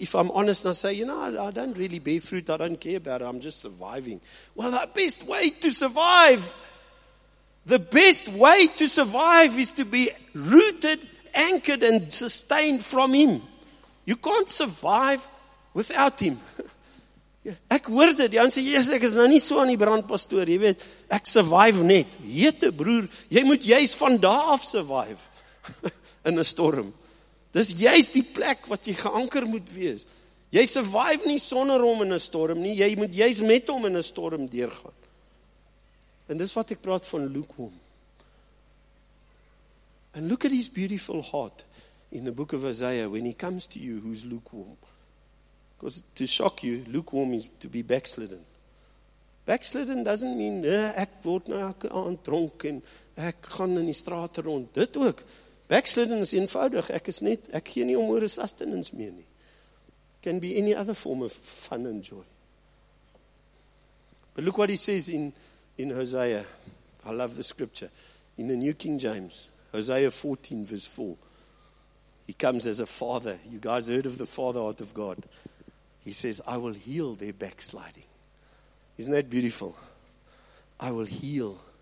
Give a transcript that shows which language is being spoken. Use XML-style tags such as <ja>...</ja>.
<en>If I'm honest and I say, you know, I don't really bear fruit. I don't care about it. I'm just surviving. Well, the best way to survive, the best way to survive is to be rooted, anchored and sustained from him. You can't survive without him.</en> <af>Ek hoor dit, die sê, Jesus, ek is nou nie so aan die brand, pastoor, jy weet, ek survive net. Jete broer, jy moet juist van daar af survive, in 'n storm. Dis juist die plek wat jy geanker moet wees. Jy survive nie sonder hom in 'n storm nie, jy moet juist met hom in 'n storm deurgaan. En dis wat ek praat van lukewarm.</af> <en>And look at his beautiful heart, in the book of Isaiah, when he comes to you who's lukewarm. Because to shock you, lukewarm is to be backslidden. Backslidden doesn't mean,</en> <af>ek word nou elke aand dronk en ek gaan in die straat rond. Dit ook. Backslidden is eenvoudig. Ek is net, ek gee nie om oor sustenance meer nie.</af> <en>Can be any other form of fun and joy. But look what he says in Hosea. I love the scripture. In the New King James, Hosea 14 verse 4. He comes as a father. You guys heard of the father heart of God. He says, I will heal their backsliding. Isn't that beautiful? I will heal.</en>